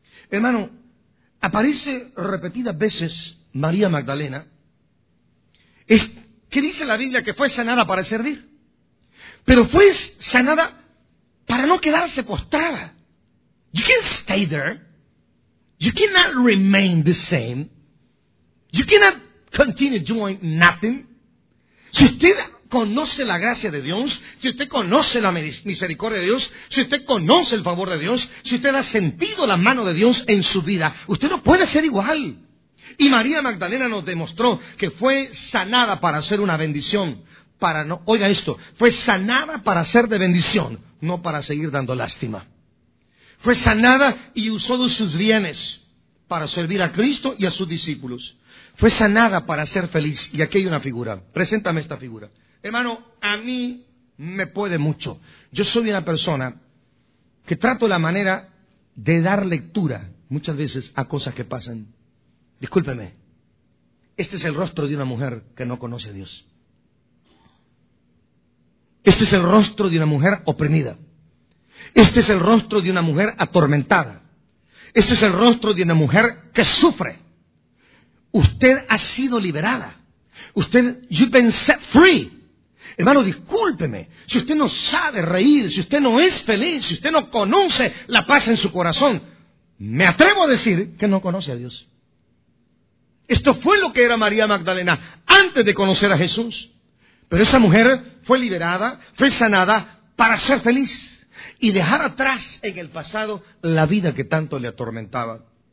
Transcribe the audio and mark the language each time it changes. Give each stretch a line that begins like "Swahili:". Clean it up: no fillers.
Spanish: Hermano, aparece repetidas veces María Magdalena. ¿Qué dice la Biblia? Que fue sanada para servir. Pero fue sanada para no quedarse postrada.
English: You can't stay there. You cannot remain the same. You cannot continue doing nothing.
Spanish: Si usted conoce la gracia de Dios, si usted conoce la misericordia de Dios, si usted conoce el favor de Dios, si usted ha sentido la mano de Dios en su vida, usted no puede ser igual. Y María Magdalena nos demostró que fue sanada para ser una bendición. Para no, oiga esto, fue sanada para ser de bendición, no para seguir dando lástima. Fue sanada y usó de sus bienes para servir a Cristo y a sus discípulos. Fue sanada para ser feliz. Y aquí hay una figura. Preséntame esta figura. Hermano, a mí me puede mucho. Yo soy una persona que trato la manera de dar lectura muchas veces a cosas que pasan. Discúlpeme. Este es el rostro de una mujer que no conoce a Dios. Este es el rostro de una mujer oprimida. Este es el rostro de una mujer atormentada. Este es el rostro de una mujer que sufre. Usted ha sido liberada. Usted,
English: you've been set free.
Spanish: Hermano, discúlpeme. Si usted no sabe reír, si usted no es feliz, si usted no conoce la paz en su corazón, me atrevo a decir que no conoce a Dios. Esto fue lo que era María Magdalena antes de conocer a Jesús. Pero esa mujer fue liberada, fue sanada para ser feliz y dejar atrás en el pasado la vida que tanto le atormentaba.